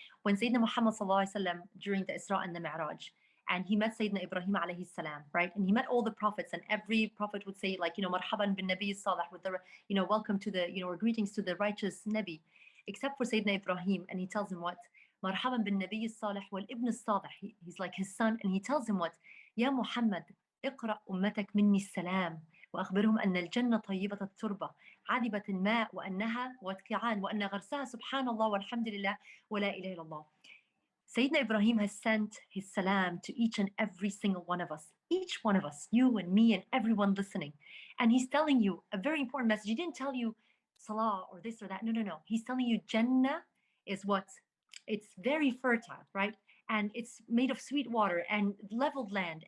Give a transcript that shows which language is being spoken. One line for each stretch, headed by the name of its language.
English: When Sayyidina Muhammad sallallahu alayhi wa sallam, during the Isra and the Mi'raj, and he met Sayyidina Ibrahim alayhi salam, right? And he met all the prophets, and every prophet would say, like, you know,
Arabic: marhaban bin Nabi Salah,
English: with the, you know, welcome to the, you know, or greetings to the righteous Nabi, except for Sayyidina Ibrahim. And he tells him what?
Arabic: Marhaban bin Nabi Salah wal ibn Salah.
English: He's like his son, and he tells him what?
Arabic: Ya Muhammad, اقرأ أمتك مني السلام وأخبرهم أن الجنة طيبة التربة عذبة الماء وأنها واتكعان وأن غرسها سبحان الله والحمد لله ولا إله إلا الله.
English: Sayyidina Ibrahim has sent his salam to each and every single one of us. Each one of us, you and me and everyone listening. And he's telling you a very important message. He didn't tell you salah or this or that. No, no, no. He's telling you Jannah is what? It's very fertile, right? And it's made of sweet water and leveled land.